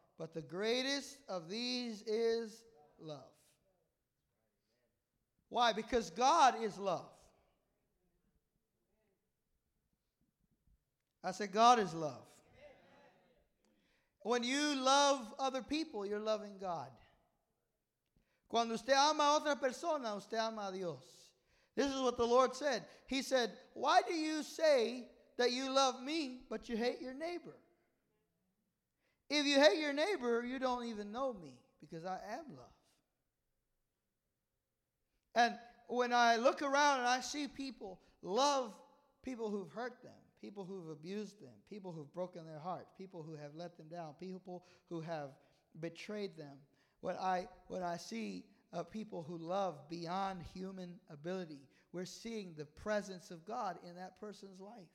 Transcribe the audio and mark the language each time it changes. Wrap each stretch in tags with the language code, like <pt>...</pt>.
<en>But the greatest of these is love. Why? Because God is love. I said God is love. When you love other people, you're loving God.</en> <es>Cuando usted ama a otra persona, usted ama a Dios.</es> <en>This is what the Lord said. He said, why do you say that you love me, but you hate your neighbor? If you hate your neighbor, you don't even know me, because I am love. And when I look around and I see people love people who've hurt them, people who've abused them, people who've broken their heart, people who have let them down, people who have betrayed them, when I see people who love beyond human ability, we're seeing the presence of God in that person's life.</en>